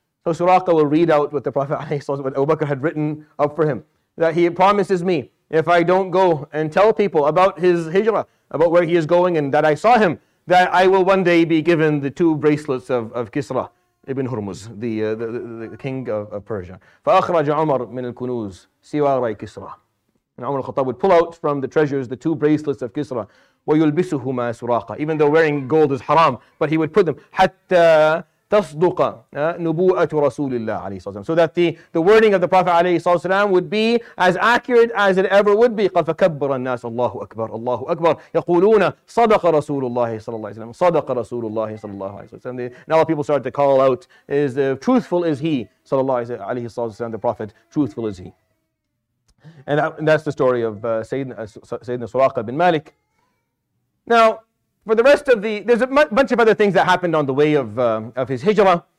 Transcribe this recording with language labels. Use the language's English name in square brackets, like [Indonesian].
[English] So Suraqa will read out what the Prophet [Arabic] عليه الصلاة والسلام, [English] what Abu Bakr had written up for him. That he promises me, if I don't go and tell people about his hijrah, about where he is going and that I saw him, that I will one day be given the two bracelets of Kisra ibn Hurmuz, the king of Persia. [Arabic] فأخرج عمر من الكنوز سواري كسرى. [English] And Umar al-Khattab would pull out from the treasures the two bracelets of Kisra. [Arabic] ويلبسهما سراقة. [English] Even though wearing gold is haram, but he would put them. [Arabic] حتى تصدق نبوءة رسول الله عليه الصلاة والسلام. [English] So that the wording of the Prophet [Arabic] عليه الصلاة والسلام [English] would be as accurate as it ever would be. [Arabic] قال فكبر الناس الله أكبر الله أكبر. يقولون صدق رسول الله صلى الله عليه وسلم. صدق رسول الله صلى الله عليه وسلم. [English] Now people started to call out, is truthful is he [Arabic] صلى الله عليه الصلاة والسلام, [English] the Prophet, truthful is he. And that's the story of Sayyidina Suraqa bin Malik. Now, for the rest of the, there's a bunch of other things that happened on the way of his hijrah.